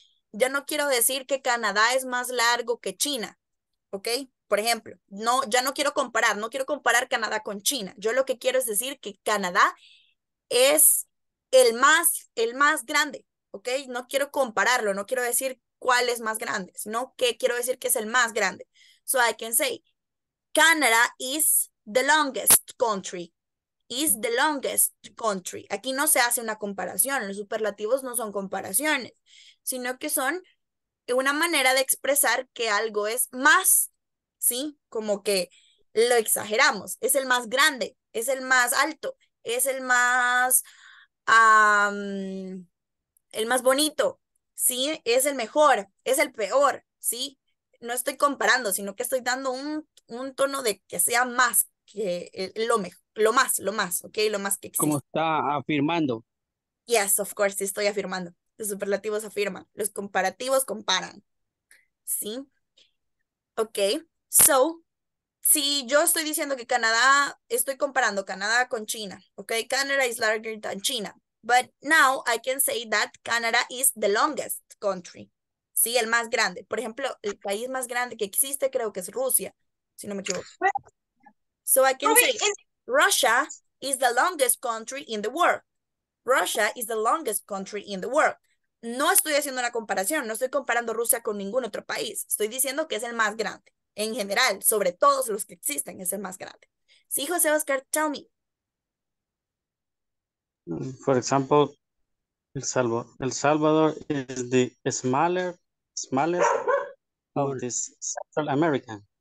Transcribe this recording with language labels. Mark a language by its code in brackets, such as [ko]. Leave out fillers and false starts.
[es] Ya no quiero decir que Canadá es más largo que China. ¿Ok? Por ejemplo, no, ya no quiero comparar. No quiero comparar Canadá con China. Yo lo que quiero es decir que Canadá es el más grande. ¿Ok? No quiero compararlo. No quiero decir cuál es más grande, sino que quiero decir que es el más grande. [en] So I can say, Canada is the longest country. Is the longest country. [es] Aquí no se hace una comparación. Los superlativos no son comparaciones, sino que son una manera de expresar que algo es más, ¿sí? Como que lo exageramos. Es el más grande, es el más alto, es el más bonito, ¿sí? Es el mejor, es el peor, ¿sí? No estoy comparando, sino que estoy dando un tono de que sea más que lo más, ¿ok? Lo más que existe. Como está afirmando. [en] Yes, of course, [es] sí estoy afirmando. Los superlativos afirman, los comparativos comparan, ¿sí? Ok, so, si yo estoy diciendo que Canadá, estoy comparando Canadá con China, ¿ok? [en] Canada is larger than China, but now I can say that Canada is the longest country, ¿sí? [es] El más grande. Por ejemplo, el país más grande que existe creo que es Rusia, si no me equivoco. [en] So I can say, Russia is the longest country in the world. Russia is the longest country in the world. [es] No estoy haciendo una comparación, no estoy comparando Rusia con ningún otro país. Estoy diciendo que es el más grande. En general, sobre todos los que existen, es el más grande. Sí, José Oscar, [en] tell me. For example, El Salvador is the smallest of the Central American.